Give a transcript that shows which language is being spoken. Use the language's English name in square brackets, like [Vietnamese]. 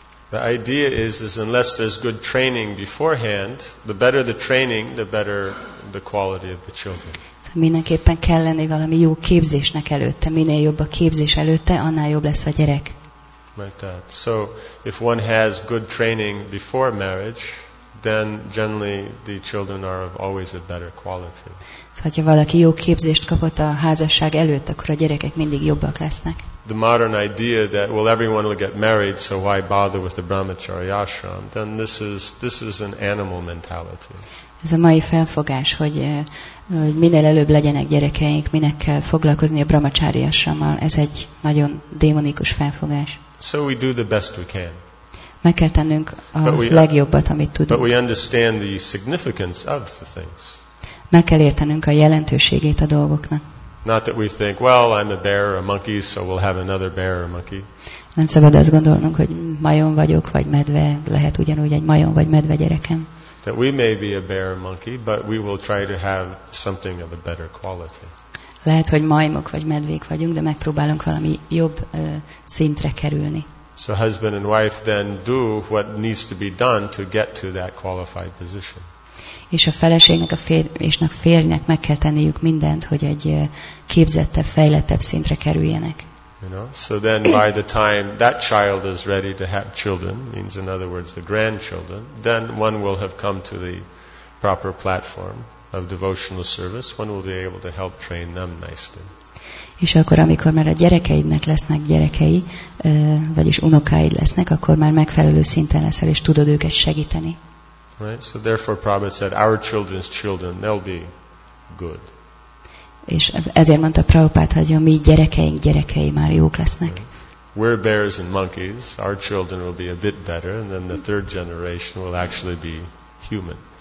[English] The idea is unless there's good training beforehand, the better the training, the better the quality of the children. [Hungarian] Mindenképpen kell lenni valami jó képzésnek előtte, minél jobb a képzés előtte, annál jobb lesz a gyerek. [English] Like that. So if one has good training before marriage, then generally the children are of always a better quality. [Hungarian] Szóval, ha valaki jó képzést kapott a házasság előtt, akkor a gyerekek mindig jobbak lesznek. [English] The modern idea that well everyone will get married, so why bother with the brahmacharya ashram? Then this is an animal mentality. [Hungarian] Ez a mai felfogás, hogy minél előbb legyenek gyerekeink, minek kell foglalkozni a brahmacharya ashrammal, ez egy nagyon démonikus felfogás. [English] So we do the best we can. [Hungarian] Meg kell tennünk a legjobbat, amit tudunk. [English] But we understand the significance of the things. [Hungarian] Meg kell értenünk a jelentőségét a dolgoknak. [English] Not that we think, well, I'm a bear or a monkey, so we'll have another bear or a monkey. [Hungarian] Nem szabad azt gondolnunk, hogy majom vagyok, vagy medve, lehet ugyanúgy egy majom vagy medve gyerekem. [English] That we may be a bear or monkey, but we will try to have something of a better quality. [Hungarian] Lehet, hogy majmok vagy medvék vagyunk, de megpróbálunk valami jobb szintre kerülni. [English] So husband and wife then do what needs to be done to get to that qualified position. [Hungarian] És a feleségnek, a férjnek meg kell tenniük mindent, hogy egy képzettebb, fejlettebb szintre kerüljenek. [English] You know? So then by the time that child is ready to have children, means in other words the grandchildren, then one will have come to the proper platform of devotional service, one will be able to help train them nicely. [Hungarian] És akkor, amikor már a gyerekeidnek lesznek gyerekei, vagyis unokáid lesznek, akkor már megfelelő szinten leszel, és tudod őket segíteni. [English] Right? So therefore Prabhupada said, our children's children, they'll be good. [Hungarian] És ezért mondta Prabhupada, hogy a mi gyerekeink gyerekei már jók lesznek. [English] Right? We're bears and monkeys, our children will be a bit better, and then the third generation will actually be human.